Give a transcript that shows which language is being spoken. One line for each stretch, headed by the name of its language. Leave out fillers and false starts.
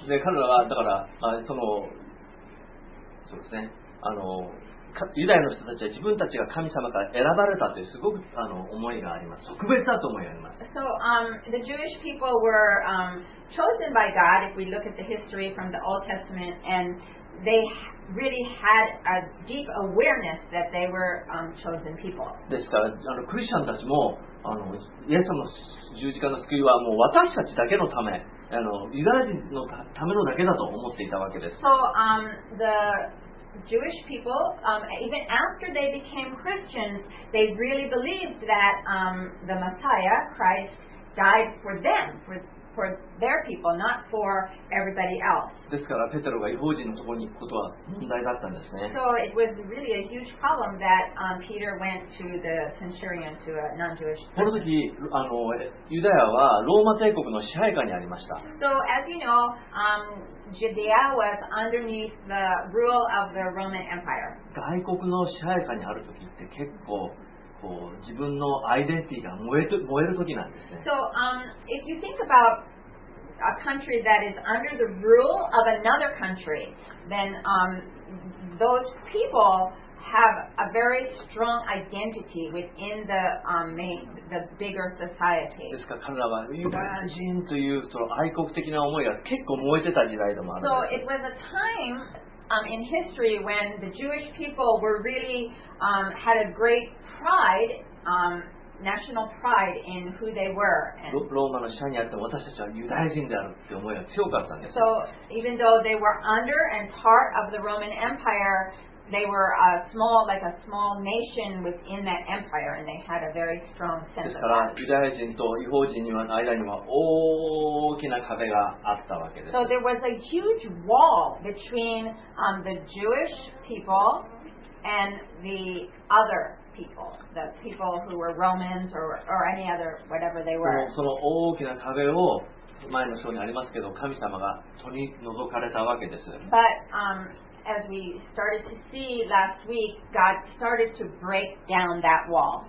Japanese: で、彼らはだから、そうですね。ユダヤの人たちは自分たちが神様から選ばれたというすごく思いがあります。特別だと思います。
English: So, the Jewish people were chosen by God. If we look at the history from the Old Testament, and they really had a deep awareness that they were chosen people.
Japanese: ですから、クリスチャンたちも。イエスの十字架の救いはもう私たちだけのためあのユダヤ人のためのだけだと思っていたわけです。
English: So, the Jewish people, even after they became Christians, they really believed that, the Messiah, Christ, died for them, for their people, not for everybody else.
Japanese: ですからペテロが異邦人のところに行くことは問題だったんですね。
English: So it was really a huge problem that, Peter went to the centurion, to a non-Jewish person.
Japanese: この時あのユダヤはローマ帝国の支配下にありました。
English: So as you know, Judea was underneath the rule of the Roman Empire.
Japanese: 外国の支配下にある時って結構自分のアイデンティティが燃える時なんですね。
English: So, if you think about a country that is under the rule of another country, then, those people have a very strong identity within the, main, the bigger society.
Japanese: ですから彼らはユダヤ人というその愛国的な思いが結構燃えてた時代でもあるんです。
English: So it was a time, in history when the Jewish people were really, had a great pride, national pride in who they were.
Japanese: ローマの支配にあって私たちはユダヤ人であるって思いが強かったんです。
English: So even though they were under and part of the Roman Empire, they were a small, like a small nation within that empire, and they had a very strong sense of that.
Japanese: ですからユダヤ人と異邦人には間には大きな壁があったわけです。
English: So there was a huge wall between, the Jewish people and the other. People, the people who were Romans or any other whatever they were.
Japanese: その大きな壁を前の章にありますけど、神様が取り除かれたわけです。
English: But, as we started to see last week, God started to break down that wall.